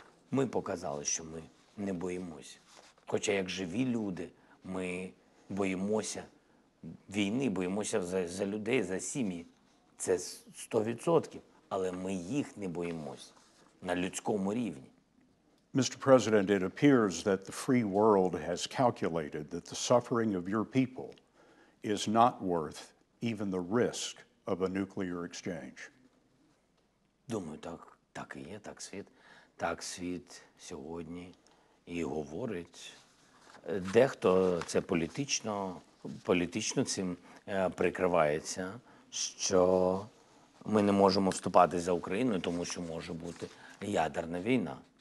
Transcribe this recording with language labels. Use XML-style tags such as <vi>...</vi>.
<uk>Ми показали, що ми не боїмося. Хоча як живі люди, ми боїмося війни, боїмося за людей, за сім'ї. Це 100%, але ми їх не боїмося на людському рівні.</uk> <en>Mr. President, it appears that the free world has calculated that the suffering of your people is not worth even the risk of a nuclear exchange.</en> <uk>Думаю, так і є, так світ сьогодні і говорить. Дехто це політично цим прикривається, що ми не можемо вступати за Україну, тому що може бути ядерна війна.</uk>